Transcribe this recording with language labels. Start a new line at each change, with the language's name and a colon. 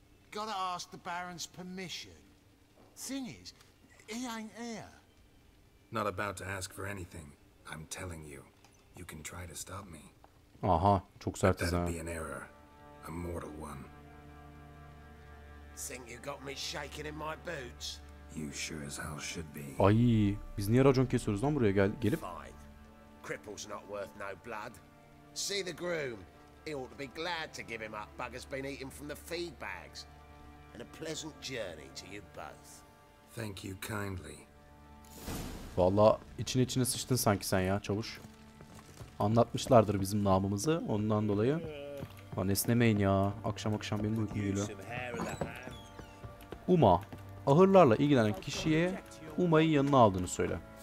English: Gotta ask the Baron's permission. Thing is, he ain't here. Not about to ask for anything. I'm telling you, you can try to stop me.
Turkish: Aha, çok sert
English: izah. That'd be an error, a mortal one. Think you got me shaking in my boots? You sure as hell should be.
Turkish: Ay, biz niye racon kesiyoruz lan buraya gelip?
English: Fine. Cripple's not worth no blood. See the groom. He ought to be glad to give him up. Bugger's been eating from the feed bags. And a pleasant journey to you both. Thank you kindly.
Turkish: Vallahi içine içine sıçtın sanki sen ya çavuş. Anlatmışlardır bizim namımızı ondan dolayı. Lan esnemeyin ya. Akşam akşam benim uykum geliyor. Uma. Ahırlarla ilgilenen kişiye Uma'yı yanına aldığını söyle.